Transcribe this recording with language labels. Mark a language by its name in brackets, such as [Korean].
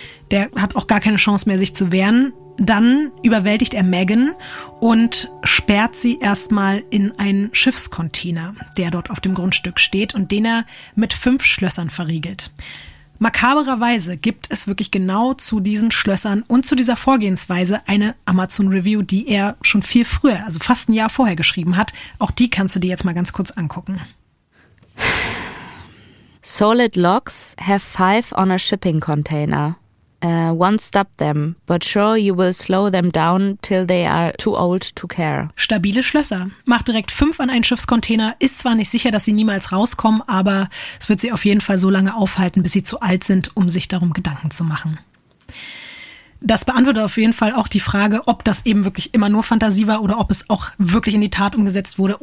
[German] Der hat auch gar keine Chance mehr, sich zu wehren. Dann überwältigt er Megan und sperrt sie erstmal in einen Schiffscontainer, der dort auf dem Grundstück steht und den er mit 5 Schlössern verriegelt. Makabererweise gibt es wirklich genau zu diesen Schlössern und zu dieser Vorgehensweise eine Amazon-Review, die er schon viel früher, also fast ein Jahr vorher geschrieben hat. Auch die kannst du dir jetzt mal ganz kurz angucken. [English] Solid locks have 5 on a shipping container. Won't stop them, but sure you will slow them down till they are too old to care. [German] Stabile Schlösser. Macht direkt 5 an einen Schiffscontainer. Ist zwar nicht sicher, dass sie niemals rauskommen, aber es wird sie auf jeden Fall so lange aufhalten, bis sie zu alt sind, um sich darum Gedanken zu machen. Das beantwortet auf jeden Fall auch die Frage, ob das eben wirklich immer nur Fantasie war oder ob es auch wirklich in die Tat umgesetzt wurde.